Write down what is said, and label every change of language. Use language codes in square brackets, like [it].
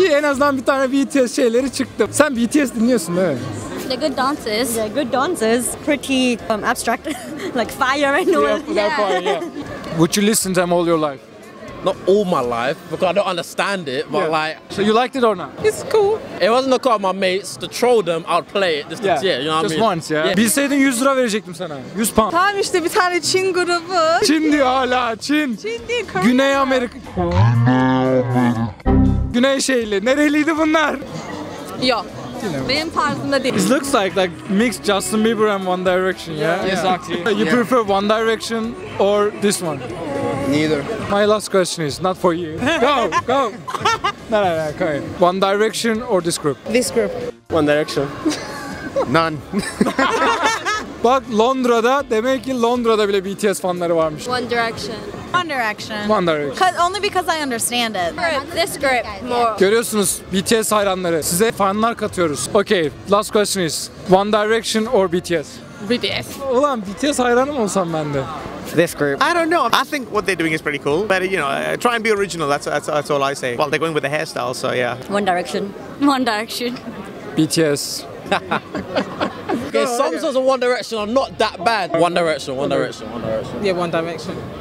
[tr] İyi, en azından bir tane BTS şeyleri çıktı. Sen BTS dinliyorsun değil mi? [en] They're good dancers. Pretty abstract, like fire and all. Yeah. Would you listen to them all your life? Not all my life, because I don't understand it, but yeah. Like... So you liked it or not? It's cool. It wasn't a call of my mates to troll them, I'd play it. Just yeah. You know what I mean? Just once, yeah. [tr] Bilseydin 100 lira verecektim sana. [en] 100 pound. [tr] Tamam işte bir tane Çin grubu. Çin diyor hala, Çin. Çin değil, Korea. Güney Amerika. Güney şehirli. Nereliydi bunlar? Yok. Benim tarzımda değil. [en] It looks like mixed Justin Bieber and One Direction, yeah? Yeah. Exactly. You prefer One Direction or this one? Neither. My last question is not for you. Go. No. Okay. One Direction or this group? This group. One Direction. None. [tr] Bak Londra'da demek ki Londra'da bile BTS fanları varmış. [en] One Direction. Cause only because I understand it. This group more. [tr] Görüyorsunuz BTS hayranları. Size fanlar katıyoruz. Okay. [en] Last question is One Direction or BTS? BTS. [tr] Ulan BTS hayranı mı olsam ben de? [en] This group. I don't know. I think what they're doing is pretty cool. But you know, try and be original. That's all I say. Well, they're going with the hairstyle, so yeah. One Direction. BTS. Okay, some sorts of One Direction are not that bad. One Direction. Yeah, One Direction.